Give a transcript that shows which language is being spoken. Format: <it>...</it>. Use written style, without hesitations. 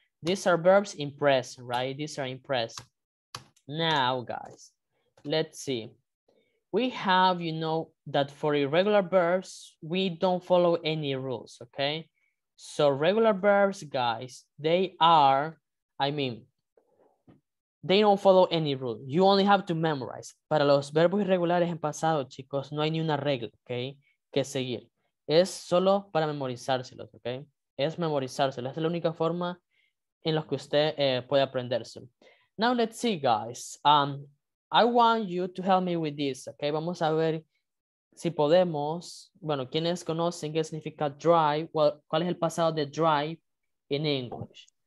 <en>These are verbs in present, right? These are in present. Now, guys, let's see. We have, you know, that for irregular verbs, we don't follow any rules, okay? So regular verbs, guys, they are, I mean, they don't follow any rule. You only have to memorize.</en> <es>Para los verbos irregulares en pasado, chicos, no hay ni una regla, okay, que seguir. Es solo para memorizárselos, okay? Es memorizárselos. Es la única forma en los que usted puede aprenderse.</es> <en>Now let's see, guys. I want you to help me with this, okay?</en> <es>Vamos a ver si podemos. Bueno, ¿quiénes conocen qué significa drive? Well, ¿cuál es el pasado de drive</es> <en>in English?</en>